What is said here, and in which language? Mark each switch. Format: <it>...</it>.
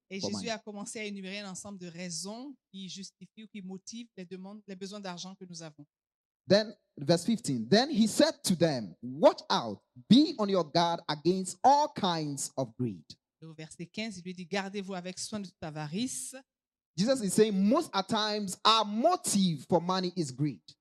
<fr>Et Jésus a commencé à énumérer un ensemble de raisons qui justifient ou qui motivent les demandes, les besoins d'argent que nous avons.</fr> <en>Then, verse 15. Then he said to them, "Watch out! Be on your guard against all kinds of greed."</en> <fr>Au verset 15, il lui dit, "Gardez-vous avec soin de toute avarice."</fr> <en>Jesus is saying, most at times, our motive for money is greed.</en>